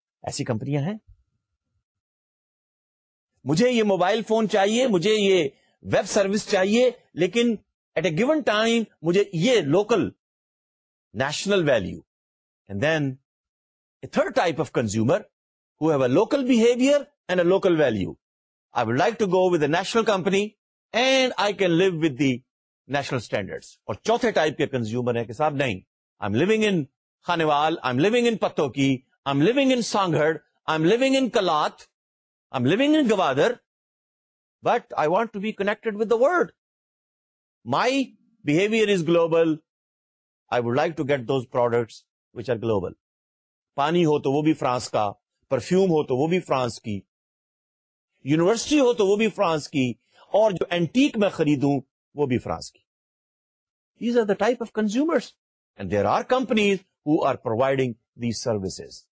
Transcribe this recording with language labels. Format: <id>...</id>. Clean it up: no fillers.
<ur>ایسی کمپنیاں ہیں. مجھے یہ موبائل فون چاہیے, مجھے یہ ویب سروس چاہیے, لیکن</ur> <en>at a given time,</en> <ur>مجھے یہ</ur> <en>local, national value. And then, a third type of consumer, who have a local behavior and a local value. I would like to go with a national company, and I can live with the national standards.</en> <ur>اور چوتھے type کے consumer ہے کہ صاحب نہیں,</ur> <en>I'm living in Khanewal, I'm living in Pattoki, I'm living in Sanghar, I'm living in Kalat, I'm living in Gwadar, but I want to be connected with the world. My behavior is global. I would like to get those products which are global.</en> <ur>پانی ہو تو وہ بھی France کا, perfume ہو تو وہ بھی France کی, university ہو تو وہ بھی فرانس کی, اور جو اینٹیک میں خریدوں وہ بھی فرانس کی.</ur> <en>These are the type of consumers and there are companies who are providing these services.</en>